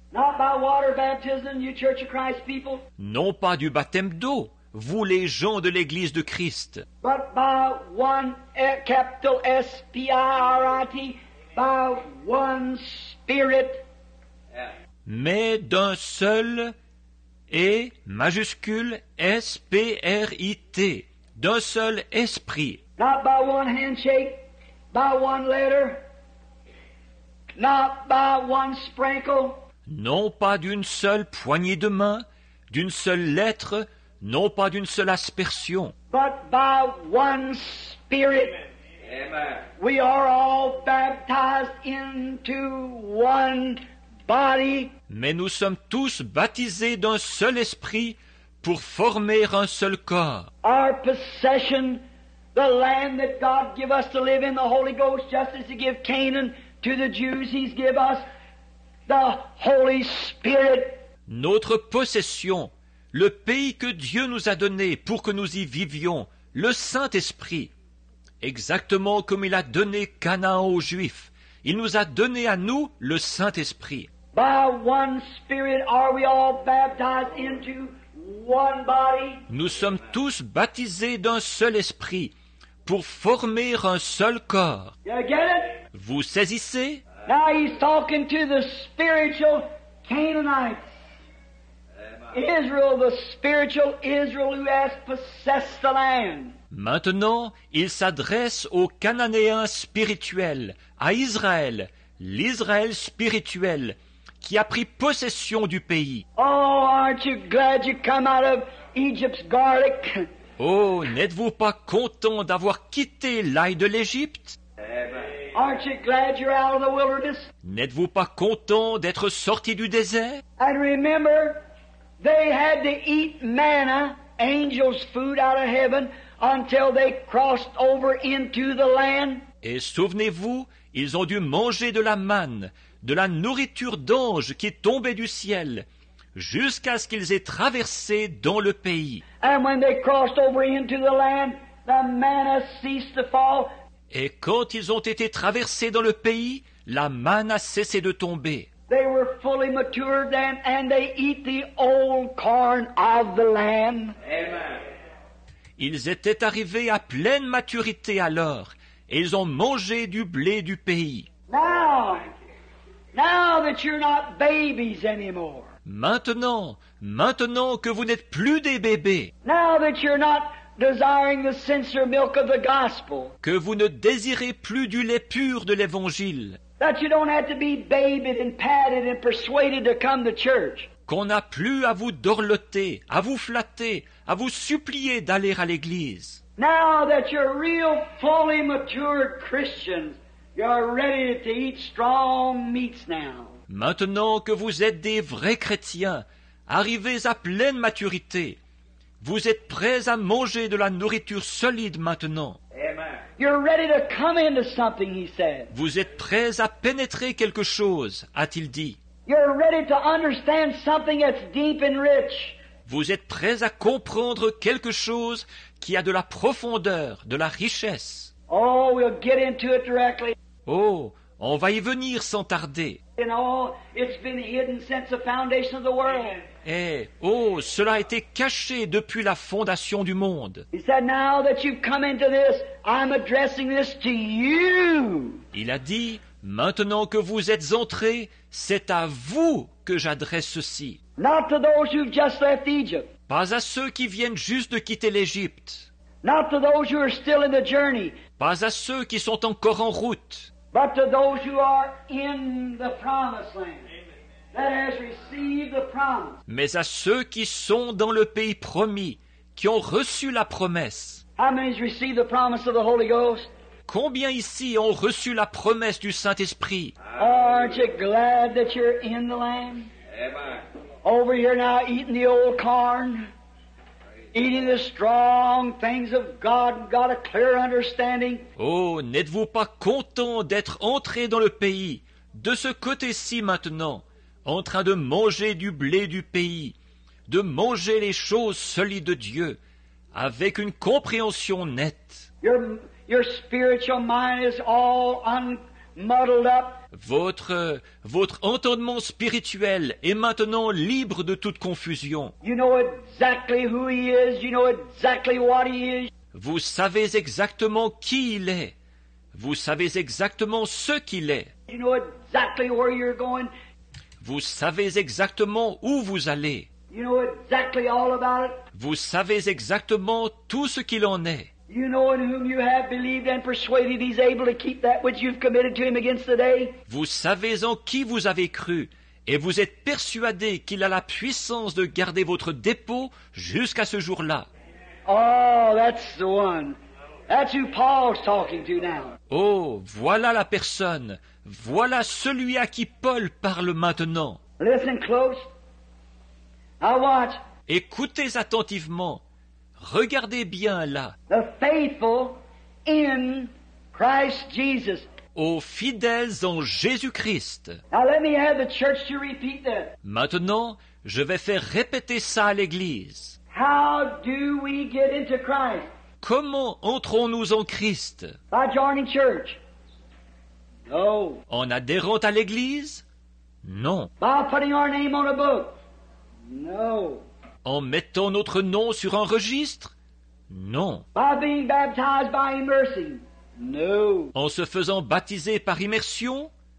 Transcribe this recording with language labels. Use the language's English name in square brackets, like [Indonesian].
[English] Not by water baptism, you Church of Christ people. [French] Non pas du baptême d'eau, vous les gens de l'Église de Christ. [English] But by one capital S-P-I-R-I-T. By one spirit. [French] Mais d'un seul et majuscule S-P-R-I-T, d'un seul esprit. [English] Not by one handshake, by one letter, not by one sprinkle. [French] Non pas d'une seule poignée de main, d'une seule lettre, non pas d'une seule aspersion. [English] But by one spirit. Amen. We are all baptized into one body. [French] Mais nous sommes tous baptisés d'un seul esprit pour former un seul corps. [English] Our possession, the land that God gave us to live in, the Holy Ghost, just as He gave Canaan to the Jews, He's given us the Holy Spirit. [French] Notre possession, le pays que Dieu nous a donné pour que nous y vivions, le Saint-Esprit. Exactement comme il a donné Canaan aux Juifs. Il nous a donné à nous le Saint-Esprit. [English] By one spirit are we all baptized into one body. [French] Nous sommes tous baptisés d'un seul esprit pour former un seul corps. [English] You get it? [French] Vous saisissez? [English] Now he's talking to the spiritual Canaanites. Israel, the spiritual Israel who has possessed the land. [French] Maintenant, il s'adresse aux Cananéens spirituels, à Israël, l'Israël spirituel, qui a pris possession du pays. [English] Oh, aren't you glad you come out of Egypt's garlic? [French] Oh, n'êtes-vous pas content d'avoir quitté l'ail de l'Égypte? [English] Aren't you glad you're out of the wilderness? [French] N'êtes-vous pas content d'être sorti du désert? [English] And remember, they had to eat manna, angels' food out of heaven. Until they crossed over into the land. [French] Et souvenez-vous, ils ont dû manger de la manne, de la nourriture d'ange qui tombait du ciel, jusqu'à ce qu'ils aient traversé dans le pays. [English] And when they crossed over into the land, the manna ceased to fall. [French] Et quand ils ont été traversés dans le pays, la manne a cessé de tomber. [English] They were fully matured then, and they eat the old corn of the land. Amen. [French] Ils étaient arrivés à pleine maturité alors, et ils ont mangé du blé du pays. [English] Now that you're not babies anymore. [French] Maintenant que vous n'êtes plus des bébés. [English] Now that you're not desiring the sincere milk of the gospel. [French] Que vous ne désirez plus du lait pur de l'évangile. [English] That you don't have to be babied and patted and persuaded to come to church. [French] Qu'on n'a plus à vous dorloter, à vous flatter, à vous supplier d'aller à l'église. [English] Now that you're real, fully matured Christians, you're ready to eat strong meats now. [French] Maintenant que vous êtes des vrais chrétiens, arrivés à pleine maturité, vous êtes prêts à manger de la nourriture solide maintenant. [English] You're ready to come into something, he said. [French] Vous êtes prêts à pénétrer quelque chose, a-t-il dit. [English] You're ready to understand something that's deep and rich. [French] Vous êtes prêts à comprendre quelque chose qui a de la profondeur, de la richesse. [English] Oh, we'll get into it directly. [French] Oh, on va y venir sans tarder. [English] And all, it's been hidden since the foundation of the world. [French] Eh, oh, cela a été caché depuis la fondation du monde. [English] He said, now that you've come into this, I'm addressing this to you. [French] Il a dit, maintenant que vous êtes entrés, c'est à vous que j'adresse ceci. [English] Not to those who've just left Egypt. [French] Pas à ceux qui viennent juste de quitter l'Égypte. [English] Not to those who are still in the journey. [French] Pas à ceux qui sont encore en route. [English] But to those who are in the promised land. That has received the promise. [French] Mais à ceux qui sont dans le pays promis, qui ont reçu la promesse. [English] How many has received the promise of the Holy Ghost? [French] Combien ici ont reçu la promesse du Saint-Esprit? [English] Aren't you glad that you're in the land? Amen. Over here now eating the old corn, eating the strong things of God, got a clear understanding. [French] Oh, n'êtes-vous pas content d'être entré dans le pays, de ce côté-ci maintenant? En train de manger du blé du pays, de manger les choses solides de Dieu, avec une compréhension nette. [English] Your spiritual mind is all unmuddled up. [French] Votre entendement spirituel est maintenant libre de toute confusion. [English] You know exactly who he is, you know exactly what he is. [French] Vous savez exactement qui il est. Vous savez exactement ce qu'il est. [English] You know exactly where you're going. [French] Vous savez exactement où vous allez. [English] You know exactly all about it. [French] Vous savez exactement tout ce qu'il en est. [English] You know in whom you have believed and persuaded, he's able to keep that which you've committed to him against the day. [French] Vous savez en qui vous avez cru, et vous êtes persuadé qu'il a la puissance de garder votre dépôt jusqu'à ce jour-là. [English] Oh, that's the one. That's who Paul's talking to now. [French] Oh, voilà la personne. Voilà celui à qui Paul parle maintenant. [English] Listen close. Now watch. [French] Écoutez attentivement. Regardez bien là. [English] The faithful in Christ Jesus. [French] Aux fidèles en Jésus-Christ. [English] Now let me have the church to repeat that. [French] Maintenant, je vais faire répéter ça à l'église. [English] How do we get into Christ? [French] Comment entrons-nous en Christ? [English] By joining church. No. [French] En adhérant à l'Église? Non. [English] By putting our name on a book? No. [French] En mettant notre nom sur un registre? Non. [English] By being baptized by immersion? No. [French] En se faisant baptiser par immersion?